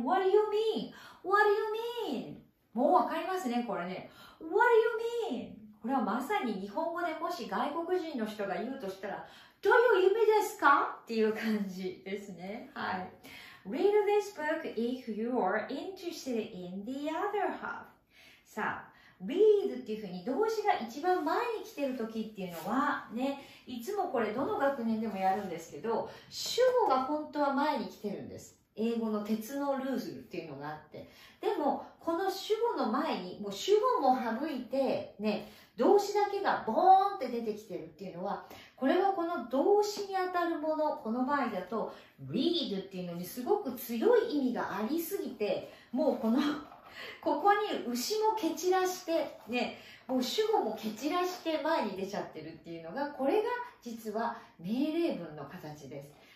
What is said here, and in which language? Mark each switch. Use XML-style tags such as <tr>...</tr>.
<en>What do you mean?What do you mean?</en> <ja>もう分かりますね、これね。</ja> <en>What do you mean?</en> <ja>これはまさに日本語でもし外国人の人が言うとしたら、どういう意味ですかっていう感じですね。はい。</ja> <en>Read this book if you are interested in the other half.</en> <ja>さあ、read っていうふうに動詞が一番前に来てる時っていうのはね、いつもこれどの学年でもやるんですけど、主語が本当は前に来てるんです。英語の鉄のルールっていうのがあって。でも、この主語の前に、もう主語も省いて、ね、動詞だけがボーンって出てきてるっていうのは、これはこの動詞にあたるもの、この場合だと、read っていうのにすごく強い意味がありすぎて、もうこの、ここに牛も蹴散らして、ね、もう主語も蹴散らして前に出ちゃってるっていうのが、これが実は命令文の形です。</ja>